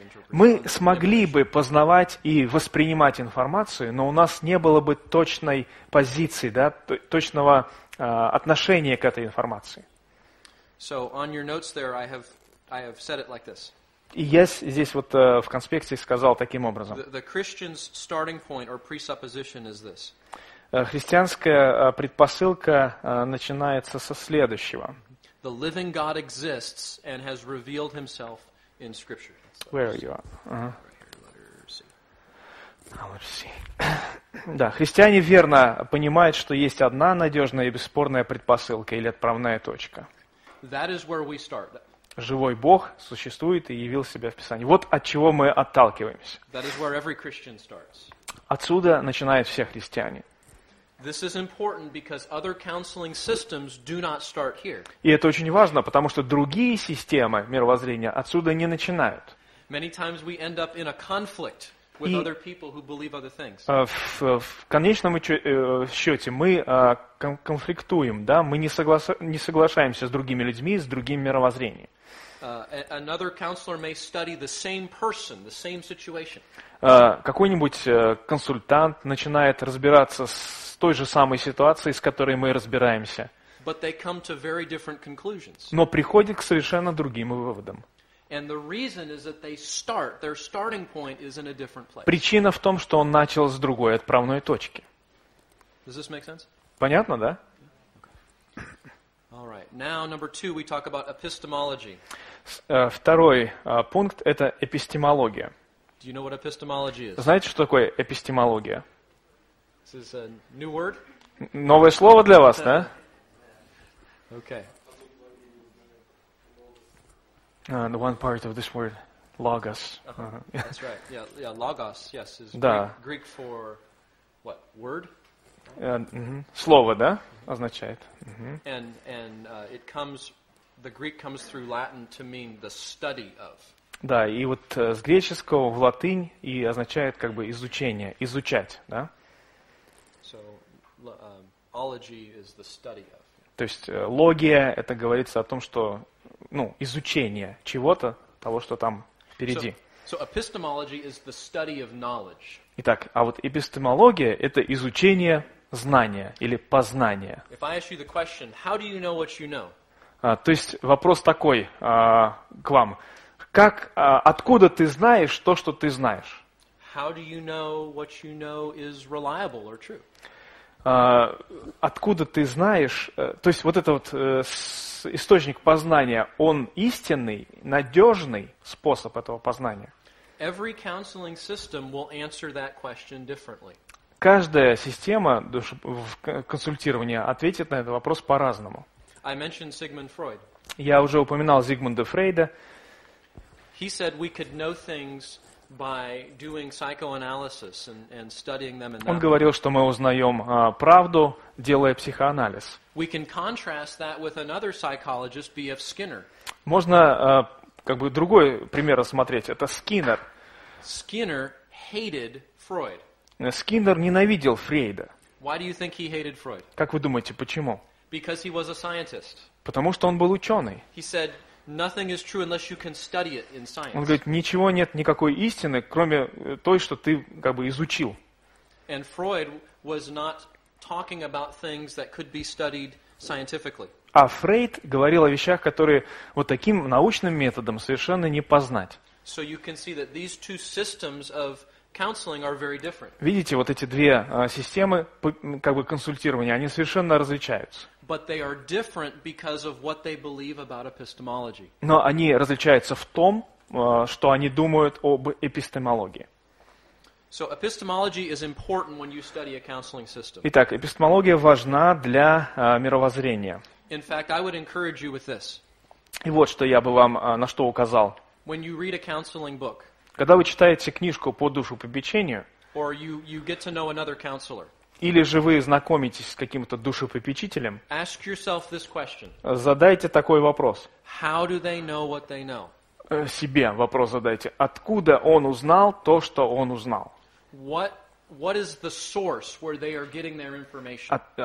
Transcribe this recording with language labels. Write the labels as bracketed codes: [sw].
[ru] Мы смогли бы познавать и воспринимать информацию, но у нас не было бы точной позиции, да, точного отношения к этой информации. [en] So on your notes there, I have said it like this. [ru] И я здесь вот в конспекте сказал таким образом. Христианская предпосылка начинается со следующего. [en] The living God exists and has revealed himself in Scripture. Where are you? Letter C. [ru] Да, христиане верно понимают, что есть одна надежная и бесспорная предпосылка или отправная точка. [en] That is where we start. [ru] Живой Бог существует и явил себя в Писании. Вот от чего мы отталкиваемся. [en] That is where every Christian starts. [ru] Отсюда начинают все христиане. [en] This is important because other counseling systems do not start here. [ru] И это очень важно, потому что другие системы мировоззрения отсюда не начинают. [en] Many times we end up in a conflict with other people who believe other things. [ru] В конечном счете мы конфликтуем, да? Мы не соглашаемся с другими людьми, с другим мировоззрением. [en] Another counselor may study the same person, the same situation. [ru] Какой-нибудь консультант начинает разбираться с той же самой ситуацией, с которой мы разбираемся. [en] But they come to very different conclusions. [ru] Но приходит к совершенно другим выводам. [en] And the reason is that they start, their starting point is in a different place. [ru] Причина в том, что он начал с другой отправной точки. [en] Does this make sense? [ru] Понятно, да? [en] Okay. All right. Now, number two, we talk about epistemology. [ru] Второй пункт – это эпистемология. [en] Do you know what epistemology is? [ru] Знаете, что такое эпистемология? [en] This is a new word? [ru] Новое слово для вас, да? [en] Okay. The one part of this word, logos. Uh-huh. That's right. Yeah, logos. Yes, is да. Greek for what? Word. [ru] Слово, да, mm-hmm. означает. Mm-hmm. [en] And it comes, the Greek comes through Latin to mean the study of. [ru] Да, и вот с греческого в латынь и означает как бы изучение, изучать, да. [en] So, ology is the study of. [ru] То есть логия – это говорится о том, что ну, изучение чего-то, того, что там впереди. [en] So epistemology is the study of knowledge. [ru] Итак, а вот эпистемология – это изучение знания или познания. [en] If I ask you the question, how do you know what you know? [ru] То есть вопрос такой к вам. Как, откуда ты знаешь то, что ты знаешь? [en] How do you know what you know is reliable or true? [ru] Откуда ты знаешь, то есть вот это вот источник познания, он истинный, надежный способ этого познания? [en] Every counseling system will answer that question differently. [ru] Каждая система консультирования ответит на этот вопрос по-разному. [en] I mentioned Sigmund Freud. [ru] Я уже упоминал Зигмунда Фрейда. [en] He said we could know things by doing psychoanalysis and studying them in that [ru] Он говорил, что мы узнаем правду, делая психоанализ. [en] We can contrast that with another psychologist, B.F. Skinner. [ru] Можно как бы другой пример рассмотреть. Это Скиннер. [en] Skinner hated Freud. [ru] Скиннер ненавидел Фрейда. [en] Why do you think he hated Freud? [ru] Как вы думаете, почему? [en] Because he was a scientist. [ru] Потому что он был ученый. [en] He said, Nothing is true unless you can study it in science. [ru] Он говорит, ничего нет никакой истины, кроме той, что ты как бы изучил. [en] And Freud was not talking about things that could be studied scientifically. [ru] А Фрейд говорил о вещах, которые вот таким научным методом совершенно не познать. [en] So you can see that these two systems of counseling are very different. [ru] Видите, вот эти две системы как бы консультирования, они совершенно различаются. [en] But they are different because of what they believe about epistemology. [ru] Но они различаются в том, что они думают об эпистемологии. [en] So epistemology is important when you study a counseling system. [ru] Итак, эпистемология важна для мировоззрения. [en] In fact, I would encourage you with this. [ru] И вот что я бы вам на что указал. [en] When you read a counseling book. [ru] Когда вы читаете книжку по душепопечению. [en] Or you get to know another counselor. [ru] Или же вы знакомитесь с каким-то душепопечителем, [en] Ask yourself this question. [ru] Задайте такой вопрос. [en] How do they know what they know? [ru] Себе вопрос задайте. Откуда он узнал то, что он узнал? [en] What is the source where they are getting their information?